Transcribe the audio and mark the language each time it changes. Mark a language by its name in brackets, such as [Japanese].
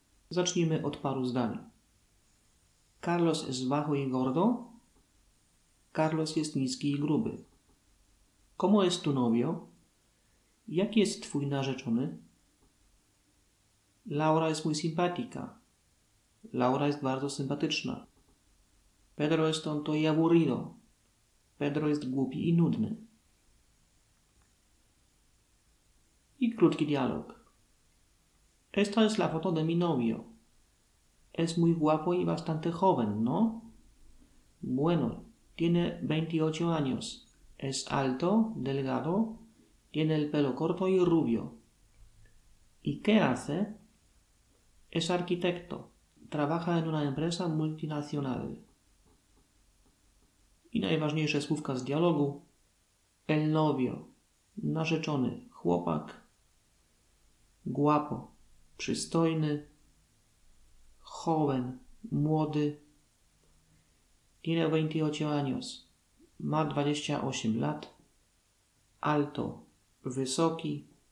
[Polish] Zacznijmy od paru zdań. [Spanish] Carlos es bajo y gordo. [Polish] Carlos jest niski i gruby. [Spanish] ¿Cómo es tu novio? [Polish] Jaki jest twój narzeczony? [Spanish] Laura es muy simpática. [Polish] Laura jest bardzo sympatyczna. [Spanish] Pedro es tonto y aburrido. [Polish] Pedro jest głupi i nudny. I krótki dialog. [Spanish] Esta es la foto de mi novio. Es muy guapo y bastante joven, ¿no? Bueno, tiene 28 años. Es alto, delgado, tiene el pelo corto y rubio. ¿Y qué hace? Es arquitecto. Trabaja en una empresa multinacional. [Polish] I najważniejsze słówka z dialogu. El novio. Narzeczony. Chłopak. Guapo. Przystojny. Joven. Młody. [Spanish] Tiene 28 años. [Polish] Ma 28 lat. [Spanish] Alto. Wysoki.